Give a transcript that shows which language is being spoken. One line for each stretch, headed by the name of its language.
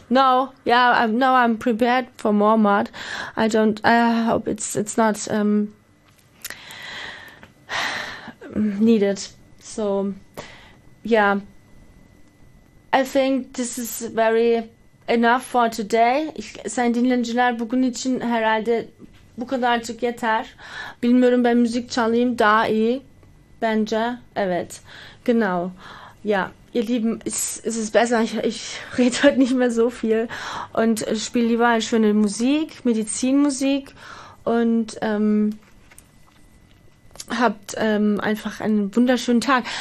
English: I'm prepared for more mud. I hope it's not needed. So yeah. I think this is very enough for today.
Turkish: Sayın dinleyiciler, bugün için herhalde bu kadarcık yeter. Bilmiyorum, ben müzik çalayım daha iyi. Bence evet.
German: Genau. Ja, ihr Lieben, es ist besser. Ich rede heute nicht mehr so viel und spiele lieber eine schöne Musik, Medizinmusik und habt einfach einen wunderschönen Tag.